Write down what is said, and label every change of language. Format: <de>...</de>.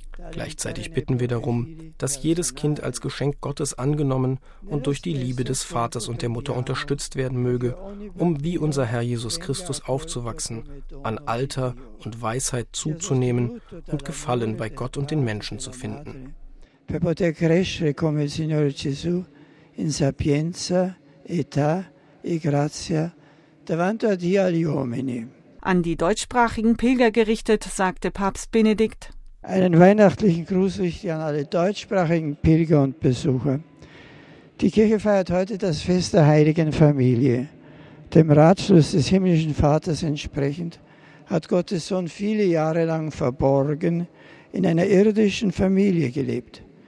<de>Gleichzeitig bitten wir darum, dass jedes Kind als Geschenk Gottes angenommen und durch die Liebe des Vaters und der Mutter unterstützt werden möge, um wie unser Herr Jesus Christus aufzuwachsen, an Alter und Weisheit zuzunehmen und Gefallen bei Gott und den Menschen zu finden.</de> <it>Per poter crescere come il Signore Gesù in sapienza, età e grazia davanti a Dio agli uomini.</it> <de>An die deutschsprachigen Pilger gerichtet, sagte Papst Benedikt: Einen weihnachtlichen Gruß richte ich an alle deutschsprachigen Pilger und Besucher. Die Kirche feiert heute das Fest der heiligen Familie. Dem Ratschluss des himmlischen Vaters entsprechend hat Gottes Sohn viele Jahre lang verborgen in einer irdischen Familie gelebt.</de>